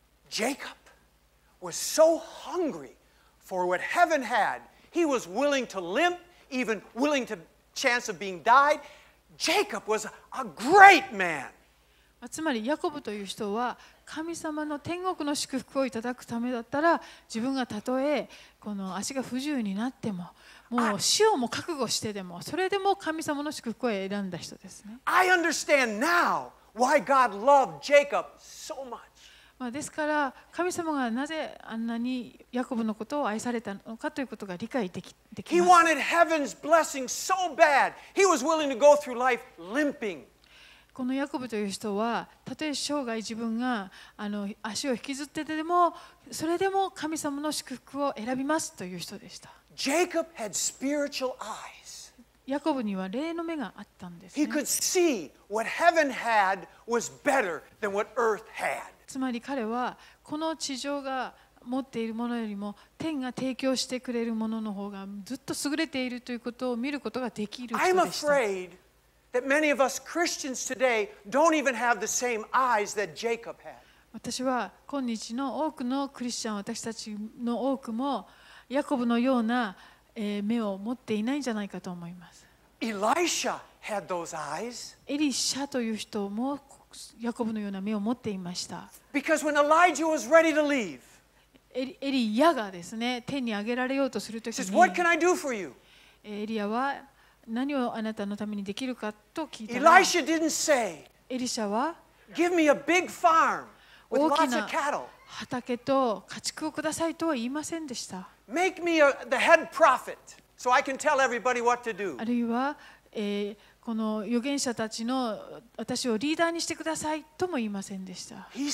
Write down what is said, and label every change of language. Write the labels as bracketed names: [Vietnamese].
[English] ジェイコブ was so hungry for what heaven had, he was willing to limp, even willing to chance of being died. Jacob was a great man. [Japanese] つまりヤコブという人は神様の天国の祝福をいただくためだったら、自分がたとえこの足が不自由になっても、もう死をも覚悟してでも、それでも神様の祝福を選んだ人ですね。 [English] I understand now why God loved Jacob so much. [Japanese] まあ、ですから神様がなぜあんなにヤコブのことを愛されたのかということが理解できます。 [English] He wanted heaven's blessing so bad. He was willing to go through life limping. [Japanese] このヤコブという人はたとえ生涯自分が足を引きずっててでも、それでも神様の祝福を選びますという人でした。 [English] Jacob had spiritual eyes. [Japanese] ヤコブには霊の目があったんですね。 [English] He could see what heaven had was better than what earth had. [Japanese] つまり彼はこの地上が持っているものよりも天が提供してくれるものの方がずっと優れているということを見ることができる人でした。 [English] I'm afraid that many of us Christians today don't even have the same eyes that Jacob had. [Japanese] 私は今日の多くのクリスチャン、私たちの多くもヤコブのような目を持っていないんじゃないかと思います。 [English] Elisha had those eyes. [Japanese] エリシャという人もヤコブのような目を持っていました。 [English] Because when Elijah was ready to leave, [Japanese] エリアがですね、天に上げられようとするときに、 [English] says, What can I do for you? [Japanese] エリアは何をあなたのためにできるかと聞いた。 [English] Elisha didn't say, [Japanese] エリシャは、 [English] Give me a big farm with lots of cattle. [Japanese] 大きな畑と家畜をくださいとは言いませんでした。 [English] Make me the head prophet so I can tell everybody what to do. [Japanese] あるいは、この預言者たちの私をリーダーにしてくださいとも言いませんでした。